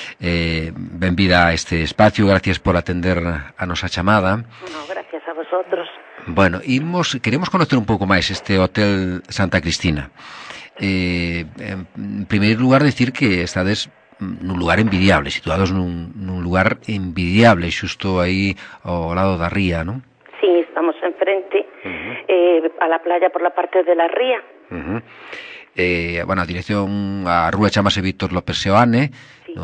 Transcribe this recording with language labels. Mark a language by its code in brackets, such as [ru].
[gl] Benvida a este espacio, gracias por atender a nosa chamada. [es] No, gracias a vosotros. [gl] Bueno, queremos conocer un pouco máis este Hotel Santa Cristina. En primeiro lugar, decir que estades nun lugar envidiable, situados nun lugar envidiable, xusto aí ao lado da ría, non? [es] Sí, estamos enfrente, a la playa por la parte de la ría. [gl] A dirección a rúa chamase Víctor López Seoane, sí.